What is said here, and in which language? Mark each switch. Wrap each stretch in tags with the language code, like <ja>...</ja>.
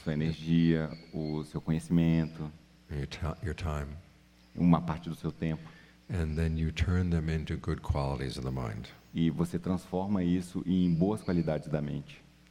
<pt>Sua energia, o seu conhecimento.</pt> <en>Your time.</en> <pt>Uma parte do seu tempo.</pt> <en>And then you turn them into good qualities of the mind.</en> <pt>E você transforma isso em boas qualidades da mente.</pt>